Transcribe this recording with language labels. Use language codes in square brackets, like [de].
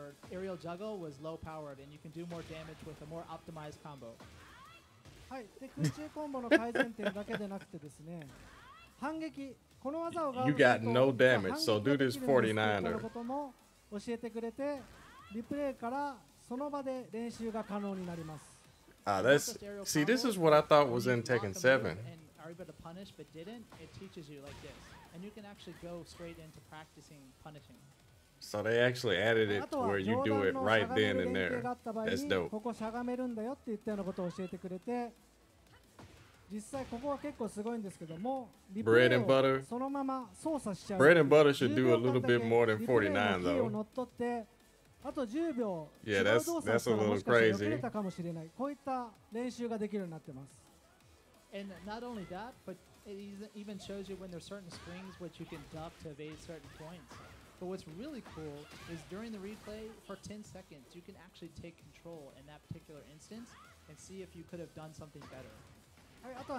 [en] Aerial juggle was low powered, and you can do more damage with a more optimized combo. [ja] はい、で空中コンボの改善点だけでなくてですね、反撃この技を。 [en] You got no damage, so do this 49er. [ja] このことも教えてくれて、リプレイからその場で練習が可能になります。 [en] Ah, that's see, this is what I thought was in Tekken 7. And are able to punish, but didn't. It teaches you like this, and you can actually go straight into practicing punishing. So they actually added it to where you do it right then and there. That's dope. [ja] ここしゃがめるんだよって言ったようなことを教えてくれて、実際ここは結構すごいんですけども、リプレイをそのまま操作しちゃう。 [en] Bread and butter should do a little bit more than 49 though. [ja] 乗っ取って、あと10秒。 [en] Yeah, that's a little crazy. [ja] よけれたかもしれない。こういった練習ができるようになってます。 [en] And not only that, but it even shows you when there's certain springs which you can duck to evade certain points. But what's really cool is during the replay for 10 seconds, you can actually take control in that particular instance and see if you could have done something better.